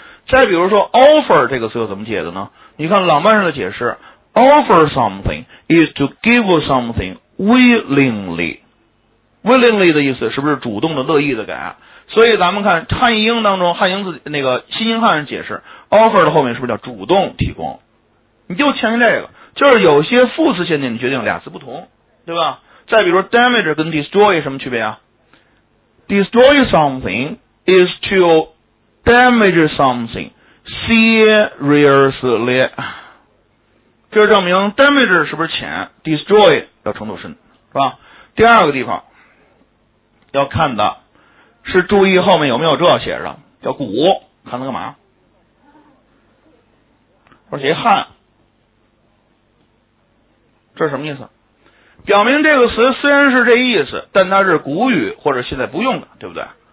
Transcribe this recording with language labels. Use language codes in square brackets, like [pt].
[zh] 再比如说 offer 这个词又怎么解的呢？你看浪漫上的解释， [en] offer something is to give something willingly， [zh] willingly 的意思是不是主动的、乐意的感？所以咱们看汉英当中，汉英字那个新英汉人解释 offer 的后面是不是叫主动提供？你就强调这个，就是有些副词限定你决定俩词不同，对吧？再比如 damage 跟 destroy 什么区别啊？ [en] destroy something is to damage something seriously， [zh] 这证明 damage 是不是浅， destroy 要程度深，是吧？第二个地方要看的是注意后面有没有这写着，叫骨，看它干嘛？我写汗，这是什么意思？表明这个词虽然是这意思，但它是古语或者现在不用的，对不对？